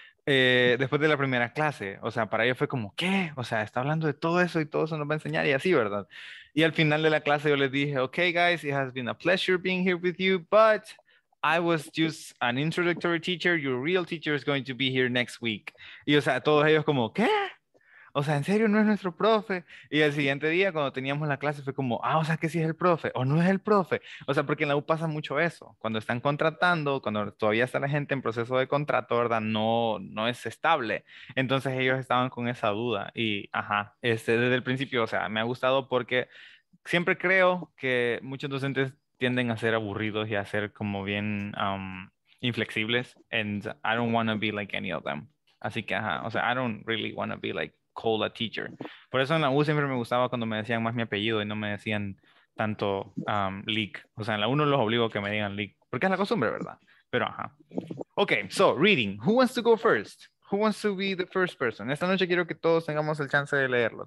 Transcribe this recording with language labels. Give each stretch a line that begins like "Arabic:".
Spanish: Después de la primera clase, o sea, para ellos fue como, ¿qué? O sea, está hablando de todo eso y todo eso nos va a enseñar, y así, ¿verdad? Y al final de la clase yo les dije,
English: okay guys, it has been a pleasure being here with you, but I was just an introductory teacher, your real teacher is going to be here next week.
Spanish: Y o sea, todos ellos como, ¿qué? O sea, ¿en serio no es nuestro profe? Y el siguiente día cuando teníamos la clase fue como, ah, o sea, ¿que sí es el profe? ¿O no es el profe? O sea, porque en la U pasa mucho eso. Cuando están contratando, cuando todavía está la gente en proceso de contrato, ¿verdad? No es estable. Entonces ellos estaban con esa duda. Y, ajá, desde el principio, o sea, me ha gustado porque siempre creo que muchos docentes tienden a ser aburridos y a ser como bien inflexibles.
English: And I don't want to be like any of them.
Spanish: Así que, ajá, o sea,
English: I don't really want to be like call a teacher.
Spanish: Por eso en la U siempre me gustaba cuando me decían más mi apellido y no me decían tanto leak. O sea, en la U no los obligo a que me digan leak, porque es la costumbre, ¿verdad? Pero ajá.
English: Okay, so reading. Who wants to go first? Who wants to be the first person?
Spanish: Esta noche quiero que todos tengamos el chance de leerlo.